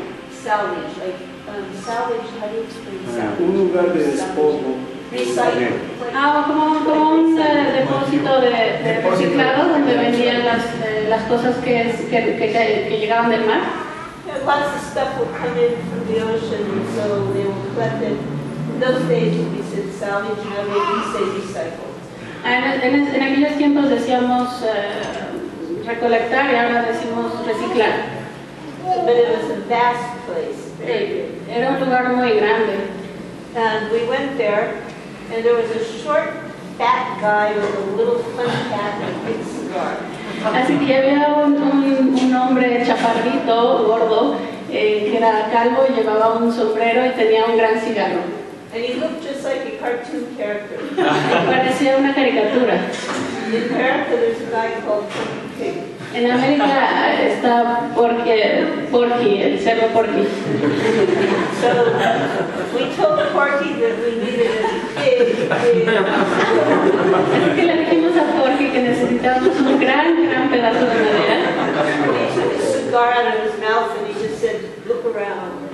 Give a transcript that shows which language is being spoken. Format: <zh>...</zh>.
<en>salvage, how do you explain salvage?</en> <es>Un lugar de despojo.</es> <en>Recycling.</en> <es>Como un depósito de reciclado donde vendían las cosas que llegaban del mar.</es> <en>Lots of stuff will come in from the ocean, so they will collect it. In those days we said salvage, now we say recycle.</en> <es>En aquellos tiempos decíamos recolectar y ahora decimos reciclar.</es> <en>But it was a vast place.</en> <es>Era un lugar muy grande.</es> <en>And we went there, and there was a short, fat guy with a little funny hat and a big cigar.</en> <es>Así que había un hombre chaparrito, gordo, que era calvo y llevaba un sombrero y tenía un gran cigarro.</es> <en>And he looked just like a cartoon character.</en> <es>Parecía una caricatura.</es> <en>In America, there's a guy called</en> <es>en América está Porky, el cerdo Porky.</es> <en>So we told Porky that we needed a pig.</en> <es>Así que le dijimos a Porky que necesitábamos un gran pedazo de madera.</es> <en>He took a cigar out of his mouth and he just said, look around.</en>